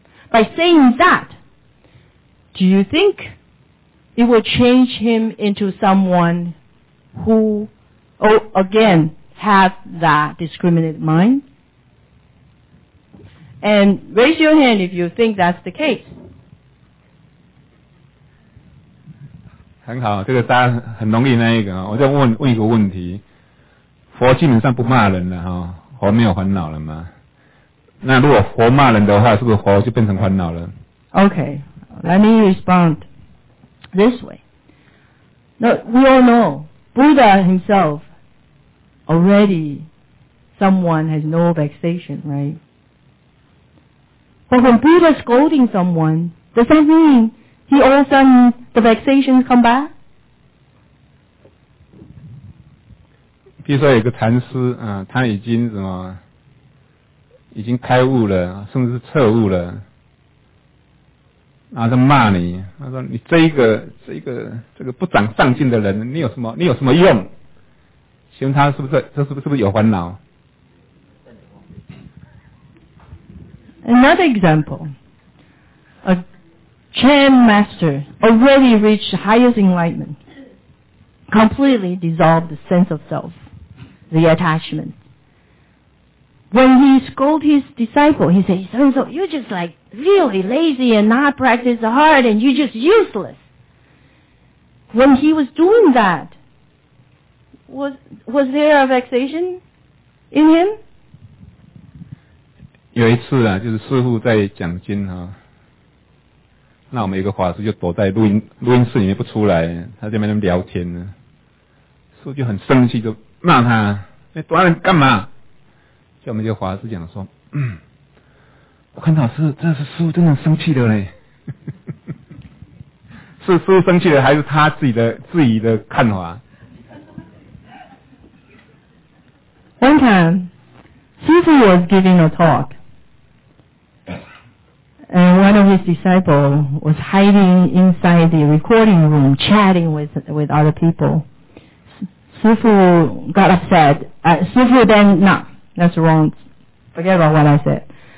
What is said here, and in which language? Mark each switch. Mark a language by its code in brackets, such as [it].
[en] By saying that, do you think it will change him into someone who, again, have that discriminated mind? And raise your hand if you think that's the case. [zh] 很好，这个大家很容易那一个，我就问一个问题：佛基本上不骂人了，佛没有烦恼了吗？那如果佛骂人的话，是不是佛就变成烦恼了？ [en] Okay, let me respond this way. Now, we all know Buddha himself already someone has no vexation, right? But when Buddha is scolding someone, does that mean he all of a sudden the vexations come back? [zh] 比如说有个禅师，他已经什么，已经开悟了，甚至是彻悟了，然后在骂你，他说你这个不长上进的人，你有什么用？请问他是不是有烦恼？ [en] Another example, a Chan master already reached highest enlightenment, completely dissolved the sense of self, the attachment. When he scolded his disciple, he said, so-and-so, you're just like really lazy and not practice hard and you're just useless. When he was doing that, was there a vexation in him? [zh] 有一次就是师父在讲经那我们一个法师就躲在录音室里面不出来，他在那边聊天呢，师父就很生气，就骂他：“你躲在那干嘛？” 就我们就法师讲说：“我看到是，这是师父真的生气的嘞，是师父生气的，还是他自己的看法？” [en] One time, 师 Jesus was giving a talk, and one of his disciples was hiding inside the recording room, chatting with other people. Sifu got upset. Sifu then, no, that's wrong. Forget about what I said.